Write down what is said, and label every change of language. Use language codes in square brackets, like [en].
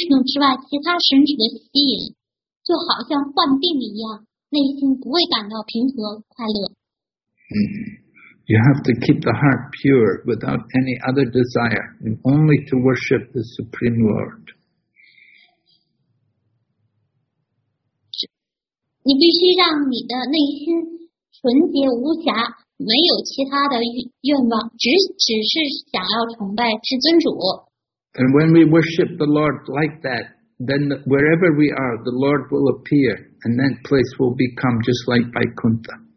[zh] 倘若受到其他的神祇的除了至尊主Vishnu之外其他神祇的吸引。就好像患病一样，内心不会感到平和快乐。 [en] You have to keep the heart pure without any other desire, only to worship the Supreme Lord. [zh] 你必须让你的内心纯洁无瑕，没有其他的愿望，只是想要崇拜至尊主。 [en] And when we worship the Lord like that, then wherever we are, the Lord will appear, and that place will become just like Vaikuntha.